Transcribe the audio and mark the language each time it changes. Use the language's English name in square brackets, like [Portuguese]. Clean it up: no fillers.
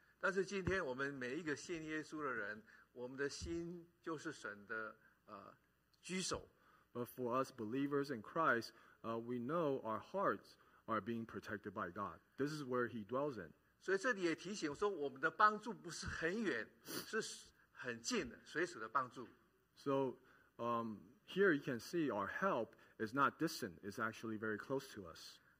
[Chinese] 但是今天我们每一个信耶稣的人，我们的心就是神的居所。 [English] But for us believers in Christ, we know our hearts are being protected by God. This is where he dwells in. [Chinese] 所以这里也提醒说，我们的帮助不是很远，是很近的，随时的帮助。 [English] So here you can see our help is not distant, it's actually very close to us.